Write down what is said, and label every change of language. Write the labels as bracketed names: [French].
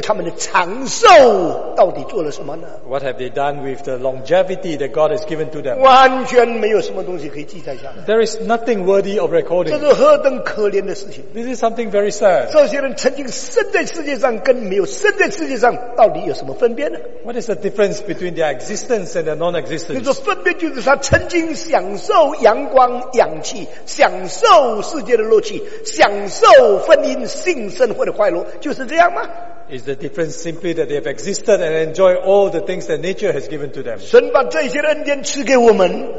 [Chinese] 神赐给他们的生命，给他们的健康，给他们的长寿，到底做了什么呢? [English] What have they done with the longevity that God has given to them? [Chinese] 完全没有什么东西可以记载下来。 [English] There is nothing worthy of recording. [Chinese] 这是何等可怜的事情。 [English] This is something very sad. [Chinese] 这些人曾经生在世界上跟没有生在世界上到底有什么分别呢? [English] What is the difference between their existence and their non-existence? [Chinese] 你说分别就是他曾经享受阳光、氧气，享受世界的乐趣，享受婚姻、性生活的快乐，就是这样吗? [English] Is the difference simply that they have existed and enjoy all the things that nature has given to them? [Chinese] 神把这些恩典赐给我们,